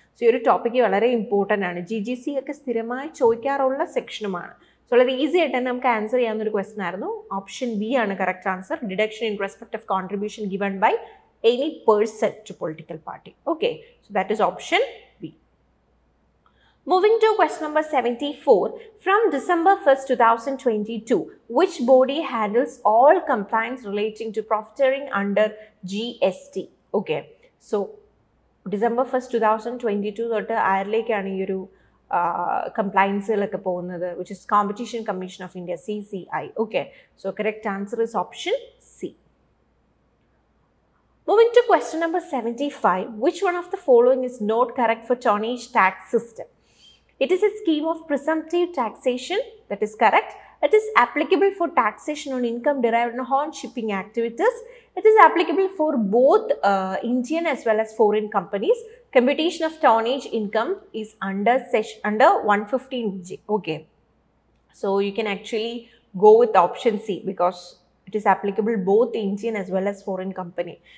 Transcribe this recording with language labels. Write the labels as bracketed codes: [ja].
[ml] So ഈ ഒരു topic വളരെ ഇമ്പോർട്ടൻ്റ് ആണ്. ജി ജി സി ഒക്കെ സ്ഥിരമായി ചോദിക്കാറുള്ള സെക്ഷനുമാണ്. സോ വളരെ ഈസി ആയിട്ട് തന്നെ നമുക്ക് ആൻസർ ചെയ്യാവുന്ന ഒരു ക്വസ്റ്റൻ ആയിരുന്നു. ഓപ്ഷൻ ബി ആണ് correct answer. [en] Deduction in respect of contribution given by any person to political party. Okay, so that is option B. Moving to question number 74, from December 1st, 2022, which body handles all compliance relating to profiteering under GST? Okay, so December 1st, 2022, [ml] ആരിലേക്കാണ് ഈ ഒരു കംപ്ലയൻസുകളൊക്കെ പോകുന്നത്? [en] Which is competition commission of India, CCI. Okay, so correct answer is option C. Moving to question number 75, which one of the following is not correct for tonnage tax system? It is a scheme of presumptive taxation, that is correct. It is applicable for taxation on income derived on shipping activities. It is applicable for both Indian as well as foreign companies. Computation of tonnage income is under under 115J. Okay, so you can actually go with option C because it is applicable both Indian as well as foreign company.